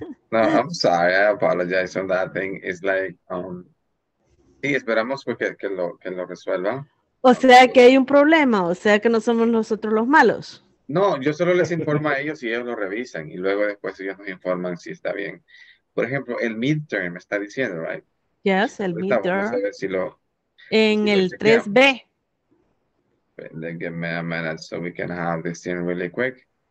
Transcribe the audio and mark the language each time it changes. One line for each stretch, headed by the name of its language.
English: No, I'm sorry, I apologize on that thing. It's like,
Spanish: sí, esperamos que lo resuelvan. O sea, que hay un problema, o sea, que no somos nosotros los malos. No, yo solo les informo a ellos y ellos lo revisan. Y luego después ellos nos informan si está bien. Por ejemplo, el midterm me está diciendo,
English: right? Yes,
Spanish: el midterm. Vamos a ver si lo... En el 3B.
English: Give me a minute so we can have this thing really quick.